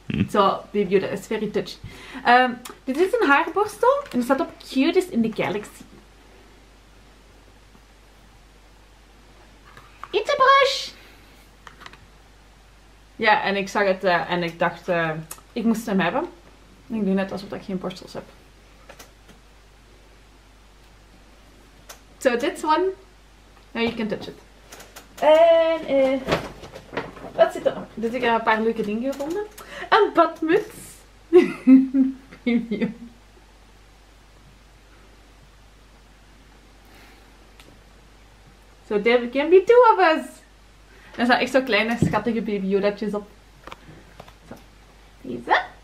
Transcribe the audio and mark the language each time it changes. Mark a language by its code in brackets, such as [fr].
[en] Zo, Baby Yoda is very touchy. [nl] Dit is een haarborstel. En het staat op Cutest in the Galaxy. [en] It's a brush! [nl] Ja, en ik zag het en ik dacht, ik moest hem hebben. Ik doe net alsof ik geen borstels heb. [en] So this one, now you can touch it. [nl] En wat zit er? Dus ik heb een paar leuke dingen gevonden. Een badmuts. Premium. [en] So there can be two of us. [nl] Er staan echt zo kleine schattige Baby Yoda's op. Zo. Deze.